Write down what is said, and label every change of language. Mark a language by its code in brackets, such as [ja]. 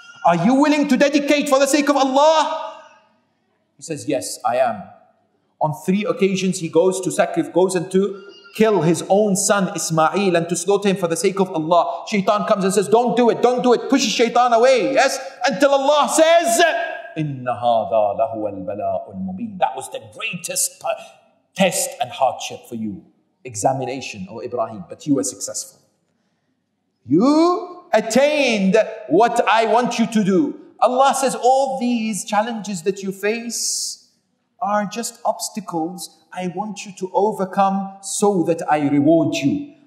[en] Are you willing to dedicate for the sake of Allah? He says, yes, I am. On three occasions, he goes to sacrifice, goes and to kill his own son, Ismail, and to slaughter him for the sake of Allah. Shaitan comes and says, don't do it, don't do it. Pushes Shaitan away, yes? Until Allah says, [ar] إِنَّ هَذَا لَهُوَ الْبَلَاءُ الْمُبِينُ. [en] That was the greatest test and hardship for you. Examination, O Ibrahim, but you were successful. You attained what I want you to do. Allah says, all these challenges that you face are just obstacles I want you to overcome so that I reward you.